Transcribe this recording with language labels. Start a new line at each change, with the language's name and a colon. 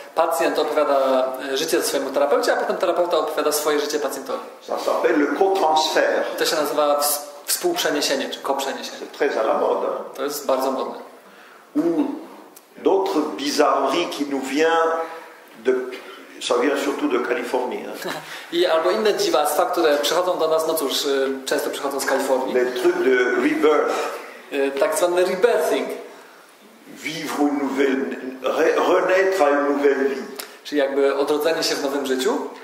Polish: Pacjent opowiada życie swojemu terapeucie, a potem terapeuta opowiada swoje życie pacjentowi.
French: Ça s'appelle le co-transfer.
Polish: To się nazywa współprzeniesienie czy koprzeniesienie.
French: C'est très à la mode.
Polish: To jest bardzo modne.
French: Ou d'autres bizarreries qui nous vient de ça vient surtout de Californie.
Polish: I albo inne dziwactwa, które przychodzą do nas, no cóż, często przychodzą z Kalifornii.
French: Les trucs de rebirth.
Polish: Tak zwany rebirthing.
French: Vivre une nouvelle, renaître à une nouvelle vie.
Polish: Czyli jakby odrodzenie się w nowym życiu.